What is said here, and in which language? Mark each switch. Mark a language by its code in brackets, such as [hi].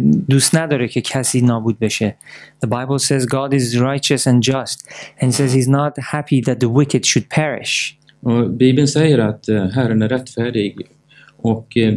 [fa] دوست نداره که کسی نابود بشه. [en] The Bible says God is righteous and just and says he's not happy that the wicked should perish. [sv] Bibeln säger att Herren är rättfärdig och